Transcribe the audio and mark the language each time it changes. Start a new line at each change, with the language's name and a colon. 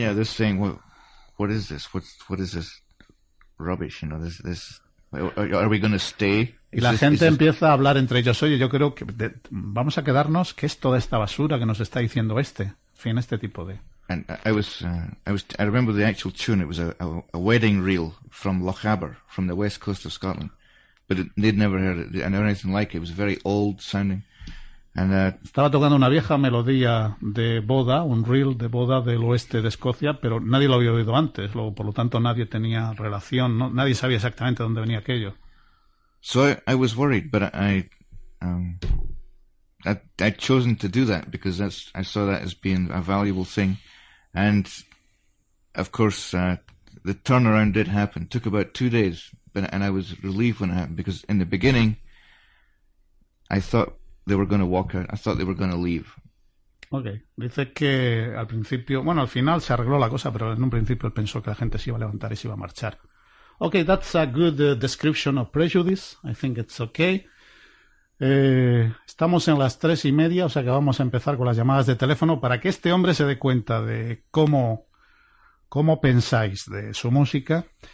English: Yeah, they're saying, what is this? What is this rubbish? You know, this are we going to stay?
Spanish: Y la gente empieza a hablar entre ellos, oye, yo creo que vamos a quedarnos, ¿qué es toda esta basura que nos está diciendo este? En fin, este tipo de...
English: And I remember the actual tune. It was a wedding reel from Lochaber, from the west coast of Scotland. But they'd never heard it. I never heard anything like it. It was very old sounding. And
Spanish: estaba tocando una vieja melodía de boda, un reel de boda del oeste de Escocia, pero nadie lo había oído antes. Luego, por lo tanto, nadie tenía relación. No, nadie sabía exactamente dónde venía aquello.
English: So I was worried, but I'd chosen to do that because I saw that as being a valuable thing. And, of course, the turnaround did happen. It took about 2 days, and I was relieved when it happened, because in the beginning, I thought they were going to walk out. I thought they were going to leave.
Spanish: Okay. Dice que al principio... Bueno, al final se arregló la cosa, pero en un principio él pensó que la gente se iba a levantar y se iba a marchar.
English: Okay, that's a good description of prejudice. I think it's okay.
Spanish: Estamos en las 3:30, o sea que vamos a empezar con las llamadas de teléfono para que este hombre se dé cuenta de cómo pensáis de su música.